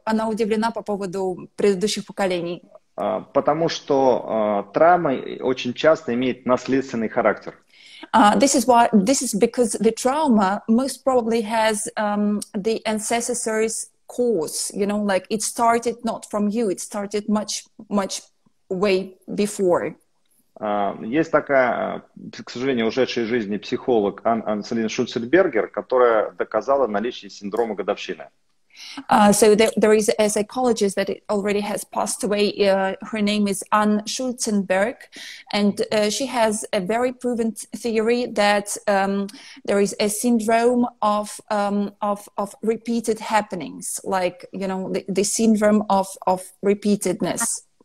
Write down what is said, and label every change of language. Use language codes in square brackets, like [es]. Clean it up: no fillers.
[ru] Она удивлена по поводу предыдущих поколений. Потому что травма очень часто имеет наследственный характер. [en] This is because the trauma most probably has the ancestor's cause. You know, like it started not from you, it started much, much way before. [ru] Есть такая, к сожалению, ушедшая из жизни психолог Анселин Шульцельбергер, которая доказала наличие синдрома годовщины. [en] So there is a psychologist that already has passed away. Her name is Anne Schulzenberg, and she has a very proven theory that there is a syndrome of repeated happenings, like, you know, the syndrome of repeatedness.